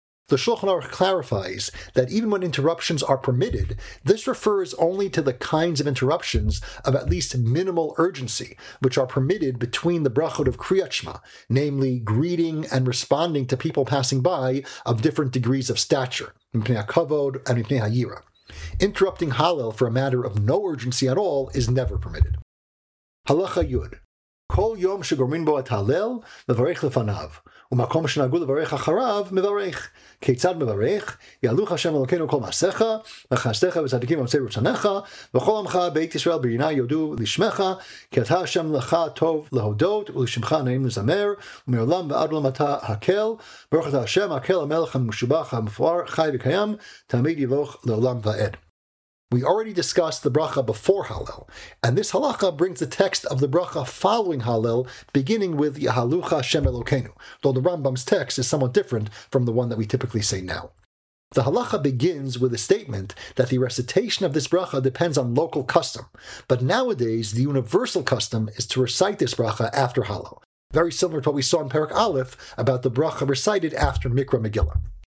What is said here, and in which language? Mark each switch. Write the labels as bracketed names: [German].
[English] The Shulchan Aruch clarifies that even when interruptions are permitted, this refers only to the kinds of interruptions of at least minimal urgency, which are permitted between the brachot of Kriyat Shema, namely greeting and responding to people passing by of different degrees of stature, Mipnei HaKavod and Mipnei HaYira. Interrupting Hallel for a matter of no urgency at all is never permitted. [Hebrew] Halacha Yud. Kol yom shegormin bo et Hallel, mevarech lefanav. ומקום שנהגו לברך אחריו, מברך. כיצד מברך? יעלוך השם אלוקינו כל מעשיך, וחסדך וצדיקים ומצי רצונך, וכל עמך בית ישראל בינה יודו לשמך, כי אתה השם לך טוב להודות, ולשמך נעים לזמר, ומעולם ועד עולם אתה הקל, ברוך אתה השם, הקל המלך המשובח המפואר, חי וקיים, תמיד יבוך לעולם ועד. [English] We already discussed the bracha before Hallel, and this halacha brings the text of the bracha following Hallel, beginning with [Hebrew] Yahalucha Hashem Elokeinu, [English] though the Rambam's text is somewhat different from the one that we typically say now. The halacha begins with a statement that the recitation of this bracha depends on local custom, but nowadays the universal custom is to recite this bracha after Hallel, very similar to what we saw in Perek Aleph about the bracha recited after Mikra Megillah.